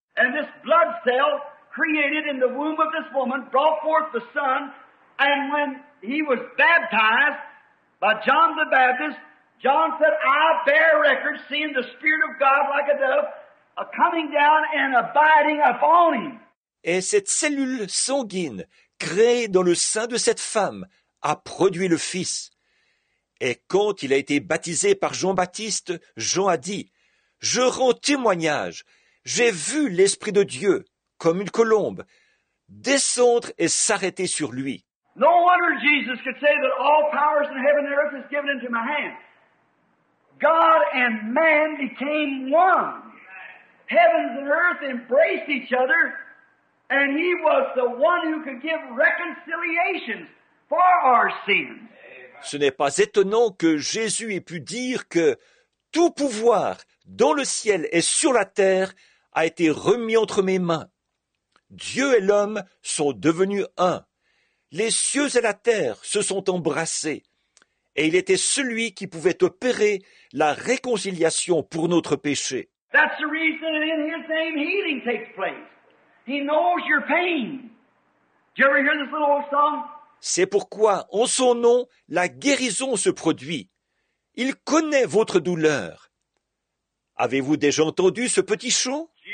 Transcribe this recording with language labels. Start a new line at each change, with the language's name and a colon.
English: And this blood cell created in the womb of this woman brought forth the son, and when he was baptized by John the Baptist, John said, I bear record seeing the Spirit of God like a dove coming down and abiding upon him.
French: Et cette cellule sanguine créée dans le sein de cette femme a produit le Fils. Et quand il a été baptisé par Jean-Baptiste, Jean a dit, « Je rends témoignage, j'ai vu l'Esprit de Dieu, comme une colombe, descendre et s'arrêter sur lui. »
English: No wonder Jesus could say that all powers in heaven and earth is given into my hand. God and man became one. Heavens and earth embraced each other, and he was the one who could give reconciliation. For our sins.
French: Ce n'est pas étonnant que Jésus ait pu dire que tout pouvoir dans le ciel et sur la terre a été remis entre mes mains. Dieu et l'homme sont devenus un. Les cieux et la terre se sont embrassés. Et il était celui qui pouvait opérer la réconciliation pour notre péché.
English: That's the reason that in His name healing takes place. He knows your pain. Did you ever hear this little old song?
French: C'est pourquoi, en son nom, la guérison se produit. Il connaît votre douleur. Avez-vous déjà entendu ce petit chant?